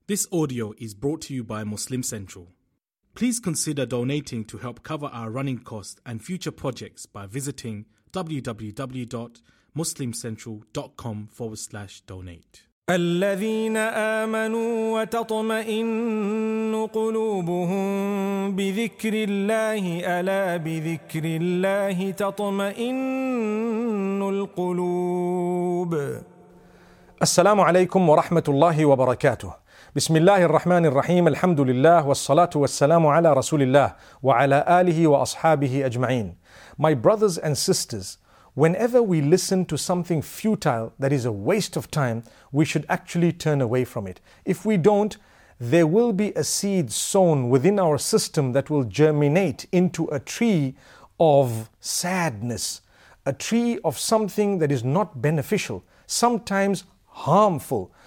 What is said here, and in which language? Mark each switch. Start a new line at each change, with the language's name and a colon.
English: This audio is brought to you by Muslim Central. Please consider donating to help cover our running costs and future projects by visiting www.muslimcentral.com/donate.
Arabic: الذين آمنوا وتطمئن قلوبهم بذكر الله ألا بذكر الله تطمئن القلوب. السلام عليكم ورحمة الله وبركاته. بسم الله الرحمن الرحيم الحمد لله والصلاة والسلام على رسول الله وعلى آله وأصحابه أجمعين.
English: My brothers and sisters, whenever we listen to something futile that is a waste of time, we should actually turn away from it. If we don't, there will be a seed sown within our system that will germinate into a tree of sadness, a tree of something that is not beneficial, sometimes harmful.